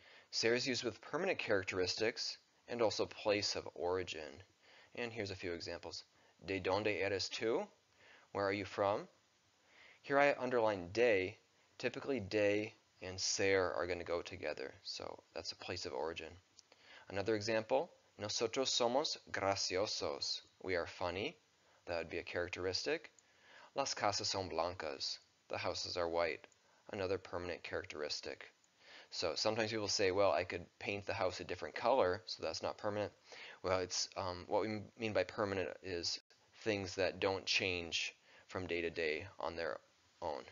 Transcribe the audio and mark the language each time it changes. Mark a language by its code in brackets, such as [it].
[en] Ser is used with permanent characteristics and also place of origin. And here's a few examples. [es] De donde eres tú? [en] Where are you from? Here I underline de. Typically de and ser are going to go together. So that's a place of origin. Another example. [es] Nosotros somos graciosos. [en] We are funny. That would be a characteristic. [es] Las casas son blancas. [en] The houses are white, another permanent characteristic. So sometimes people say, well, I could paint the house a different color, so that's not permanent. Well, it's what we mean by permanent is things that don't change from day to day on their own.